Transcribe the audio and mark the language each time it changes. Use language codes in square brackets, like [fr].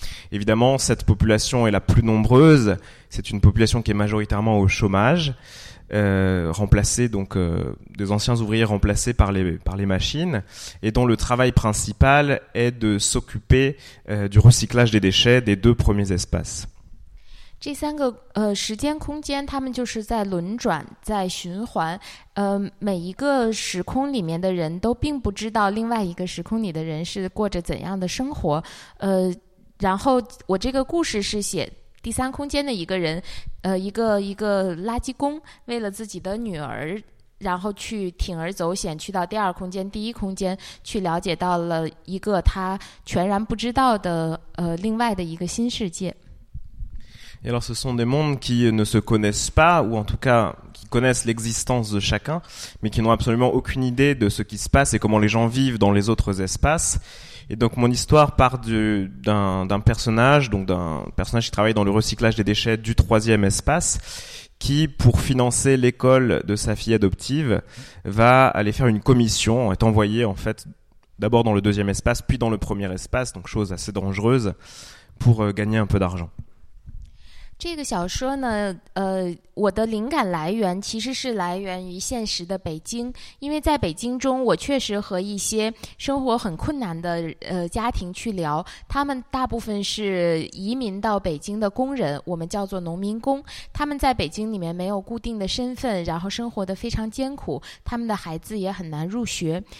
[fr] Évidemment, cette population est la plus nombreuse. C'est une population qui est majoritairement au chômage, remplacée donc des anciens ouvriers remplacés par les machines, et dont le travail principal est de s'occuper du recyclage des déchets des 2 premiers espaces. [zh] 这三个时间空间，他们就是在轮转，在循环。每一个时空里面的人都并不知道另外一个时空里的人是过着怎样的生活。然后我这个故事是写第三空间的一个人，一个垃圾工，为了自己的女儿，然后去铤而走险，去到第二空间、第一空间，去了解到了一个他全然不知道的另外的一个新世界。 [fr] Et alors ce sont des mondes qui ne se connaissent pas, ou en tout cas qui connaissent l'existence de chacun, mais qui n'ont absolument aucune idée de ce qui se passe et comment les gens vivent dans les autres espaces. Et donc mon histoire part d'un personnage qui travaille dans le recyclage des déchets du 3e espace, qui, pour financer l'école de sa fille adoptive, va aller faire une commission, est envoyé en fait d'abord dans le 2e espace, puis dans le 1er espace, donc chose assez dangereuse, pour gagner un peu d'argent. [zh] 这个小说呢，我的灵感来源其实是来源于现实的北京，因为在北京中，我确实和一些生活很困难的家庭去聊，他们大部分是移民到北京的工人，我们叫做农民工，他们在北京里面没有固定的身份，然后生活得非常艰苦，他们的孩子也很难入学。